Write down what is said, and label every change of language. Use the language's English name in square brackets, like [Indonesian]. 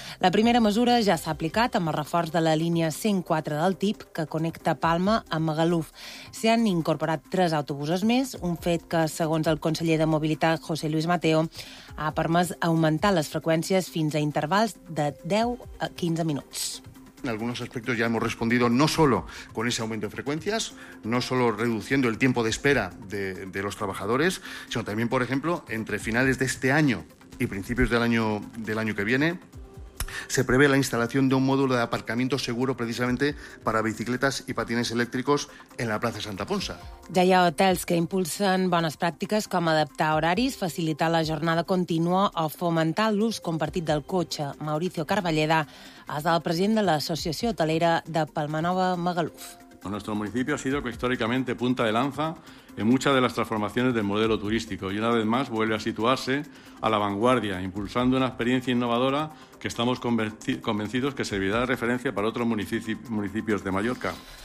[Catalan] La primera mesura ja s'ha aplicat amb el reforç de la línia 104 del TIP, que connecta Palma amb Magaluf. S'hi han incorporat 3 autobusos més, un fet que, segons el conseller de Mobilitat, José Luis Mateo, ha permès augmentar les freqüències fins a intervals de 10 a 15 minuts. [Spanish] En algunos aspectos ya hemos respondido no solo con ese aumento de frecuencias, no solo reduciendo el tiempo de espera de los trabajadores, sino también, por ejemplo, entre finales de este año y principios del año que viene, se prevé la instalación de un módulo de aparcamiento seguro precisamente para bicicletas y patines eléctricos en la plaza Santa Ponsa. [Catalan] Ja hi ha hotels que impulsen bones pràctiques com adaptar horaris, facilitar la jornada contínua o fomentar l'ús compartit del cotxe. Mauricio Carballeda és el president de l'Associació Hotelera de Palmanova Magaluf. [Spanish] El nuestro municipio ha sido históricamente punta de lanza en muchas de las transformaciones del modelo turístico y una vez más vuelve a situarse a la vanguardia, impulsando una experiencia innovadora que estamos convencidos que servirá de referencia para otros municipios de Mallorca.